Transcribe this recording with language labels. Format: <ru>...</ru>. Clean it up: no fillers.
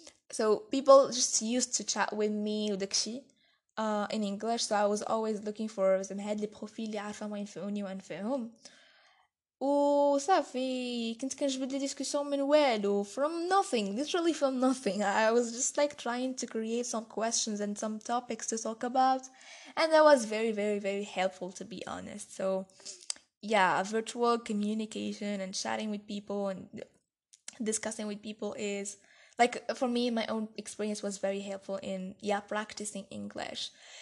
<en>So people just used to chat with me in English. So I was always looking for some head profile</en> <ar>اللي عارفه ما ينفعوني ونفعهم. وصافي كنت كنجبد لي ديسكوسيون من والو</ar> <en>from nothing, literally from nothing. I was just like trying to create some questions and some topics to talk about, and that was very very very helpful to be honest. So yeah, virtual communication and chatting with people and discussing with people is like, for me, my own experience was very helpful in yeah practicing English.</en>